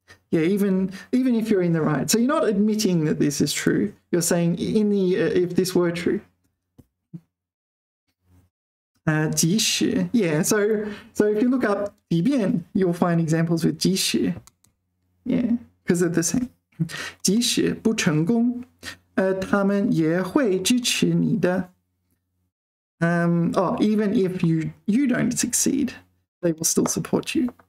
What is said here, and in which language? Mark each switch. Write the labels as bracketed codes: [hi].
[en] Yeah, even if you're in the right. So you're not admitting that this is true. You're saying in the if this were true. 即使, yeah, so if you look up 即便, you'll find examples with 即使. Yeah, because they're the same. [zh] 即使不成功, 他们也会支持你的. [en] Oh, even if you don't succeed, they will still support you.